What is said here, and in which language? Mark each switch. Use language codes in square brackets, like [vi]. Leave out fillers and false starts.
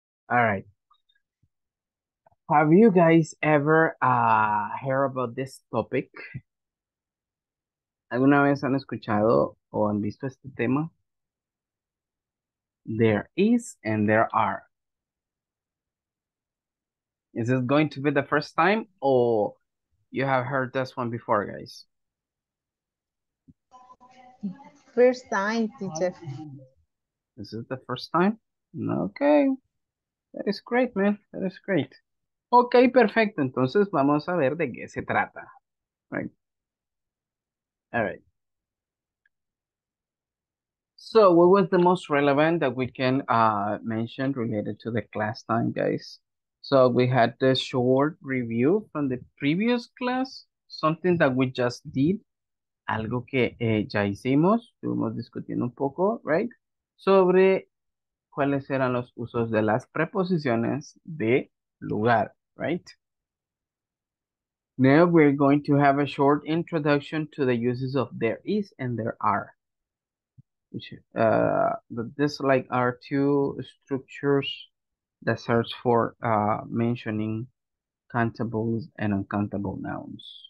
[en] All right. Have you guys ever heard about this topic? [es] ¿Alguna vez han escuchado o han visto este tema? [en] There is and there are. Is this going to be the first time or you have heard this one before, guys? First time, teacher. This is the first time? Okay. That is great, man. That is great. Okay, perfecto. [es] Entonces vamos a ver de qué se trata. [en] Right. All right. So, what was the most relevant that we can mention related to the class time, guys? So, we had the short review from the previous class, something that we just did, [es] algo que ya hicimos, estuvimos discutiendo un poco, [en] right? [es] Sobre cuáles eran los usos de las preposiciones de lugar, right? [en] Now, we're going to have a short introduction to the uses of there is and there are. Which this like are two structures that serves for mentioning countable and uncountable nouns.